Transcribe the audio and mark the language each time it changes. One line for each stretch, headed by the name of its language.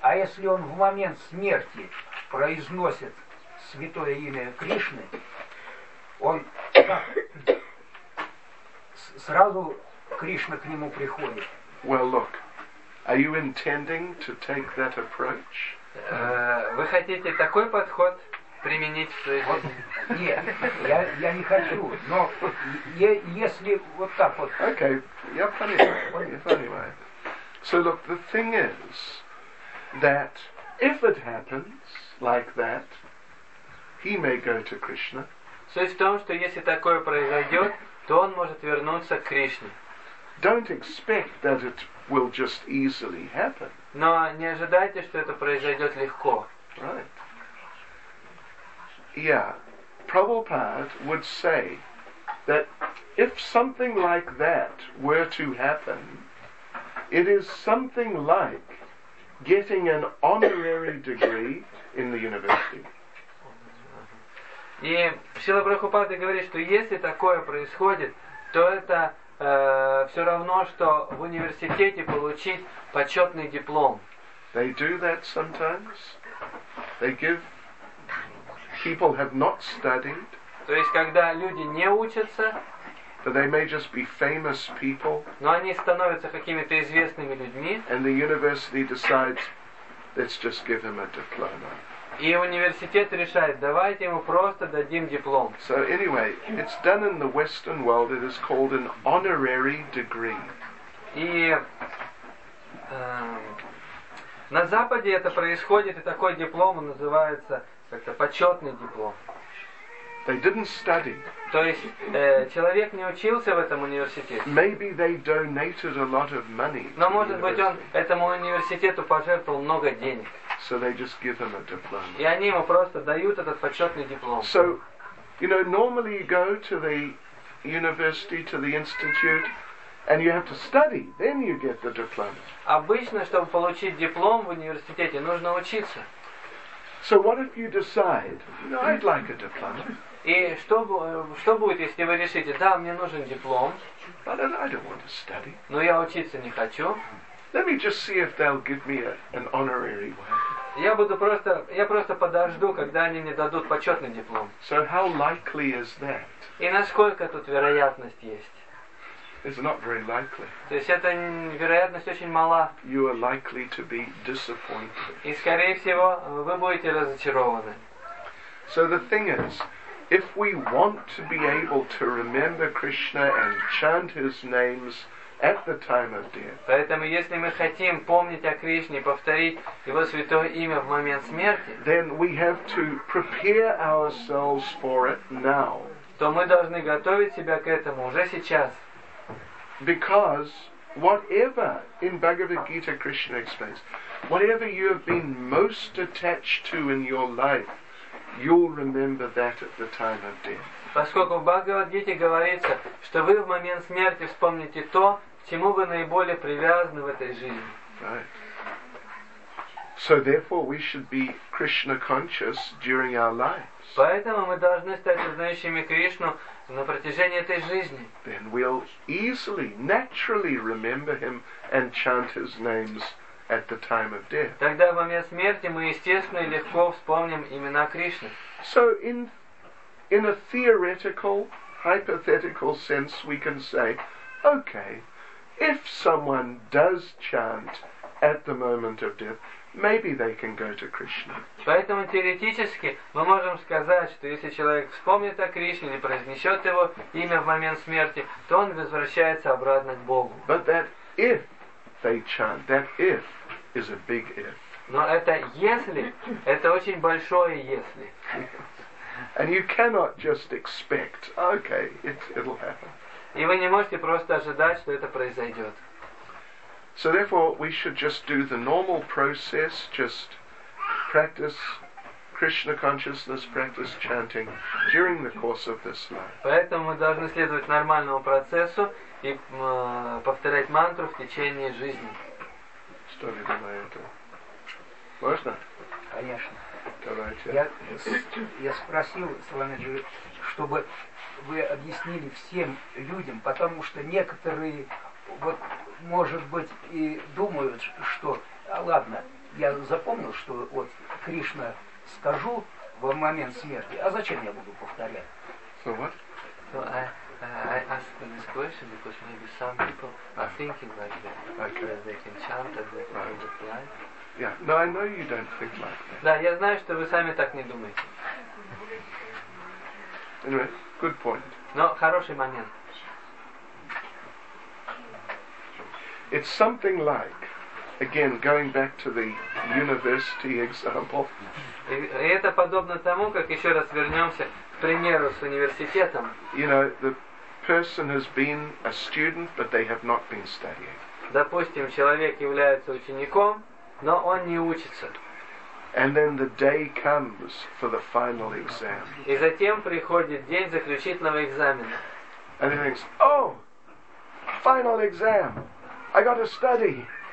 Russian: А если он в момент смерти произносит святое имя Кришны, он сразу Кришна к нему приходит.
English: Well, look, are you intending to take that approach?
Russian: Вы хотите такой подход применить в своей жизни? Нет, я не хочу. Но если вот так вот. Okay, я понимаю.
English: So look, the thing is that if it happens like that, he may go to Krishna.
Russian: Суть в том, что если такое произойдет, то он может вернуться к Кришне.
English: Don't expect that it will just easily happen.
Russian: Но не ожидайте, что это произойдет легко.
English: Right. Yeah. Prabhupada would say that if something like that were to happen, it is something like getting an honorary degree in the university.
Russian: И Шрила Прабхупада говорит, что если такое происходит, то это все равно, что в университете получить почетный диплом.
English: They do that sometimes. They give people have not studied.
Russian: То есть, когда люди не учатся,
English: but they may just be famous people.
Russian: Но они становятся какими-то известными людьми.
English: And the university decides, let's just give him a diploma.
Russian: И университет решает, давайте ему просто дадим диплом.
English: So anyway, it's done in the Western world. It is called an honorary degree.
Russian: И на Западе это происходит, и такой диплом называется как-то почетный диплом.
English: They didn't study.
Russian: То есть человек не учился в этом университете.
English: Maybe they donated a lot of money.
Russian: Но может быть он этому университету пожертвовал много денег.
English: So they just give him a diploma.
Russian: И они ему просто дают этот почетный диплом.
English: So, you know, normally you go to the university, to the institute, and you have to study, then you get the diploma.
Russian: Обычно, чтобы получить диплом в университете, нужно учиться.
English: So what if you decide, I'd like a diploma?
Russian: И что будет, если вы решите, да, мне нужен диплом?
English: But I don't want to study.
Russian: Но я учиться не хочу.
English: Let me just see if they'll give me an honorary one.
Russian: Я просто подожду, когда они мне дадут почетный диплом.
English: So how likely is that?
Russian: И насколько тут вероятность есть?
English: It's not very likely.
Russian: То есть эта вероятность очень мала.
English: You are likely to be disappointed.
Russian: И скорее всего вы будете разочарованы.
English: So the thing is, if we want to be able to remember Krishna and chant His names at the time of death.
Russian: Поэтому если мы хотим помнить о Кришне и повторить его святое имя в момент смерти,
English: then we have to prepare ourselves for it now.
Russian: То мы должны готовить себя к этому уже сейчас.
English: Because whatever in Bhagavad Gita Krishna explains, whatever you have been most attached to in your life, you'll remember that at the time of death.
Russian: Поскольку в Бхагавад-гите говорится, что вы в момент смерти вспомните то, к чему вы наиболее привязаны в этой жизни.
English: Right. So therefore we should be Krishna conscious during our lives.
Russian: Поэтому мы должны стать сознающими Кришну на протяжении этой жизни.
English: Then we'll easily, naturally remember Him and chant His names at the time of death.
Russian: Тогда в момент смерти мы естественно и легко вспомним имена Кришны.
English: So in a theoretical, hypothetical sense, we can say, okay, if someone does chant at the moment of death, maybe they can go to Krishna.
Russian: Поэтому теоретически мы можем сказать, что если человек вспомнит о Кришне или произнесет его имя в момент смерти, то он возвращается обратно к Богу.
English: But that if they chant, that if is a big if.
Russian: Но это если, это очень большое если.
English: And you cannot just expect, okay, it'll happen.
Russian: И вы не можете просто ожидать, что это произойдет.
English: So therefore, we should just do the normal process, just practice Krishna consciousness, practice chanting during the course of this life.
Russian: Поэтому мы должны следовать нормальному процессу и повторять мантру в течение жизни. Что вы думаете? Можно? Конечно. Давайте. Я спросил Саламиджи, чтобы вы объяснили всем людям, потому что некоторые, вот, может быть, и думают, что, а ладно, я запомнил, что вот Кришна скажу в момент смерти, а зачем я буду повторять?
English: So what? So I ask them this question because maybe some people are thinking like that, okay. That they can chant at the end of life. Yeah. No, I know you don't think like that.
Russian: Да, я знаю, что вы сами так не думаете.
English: Anyway, good point.
Russian: Но хороший момент.
English: It's something like, again, going back to the university example.
Russian: И это подобно тому, как еще раз вернемся к примеру с университетом.
English: You know, the person has been a student, but they have not been studying.
Russian: Допустим, человек является учеником, но он не учится.
English: And then the day comes for the final exam.
Russian: И затем приходит день заключительного экзамена.
English: And he thinks, oh, final exam. I got to study.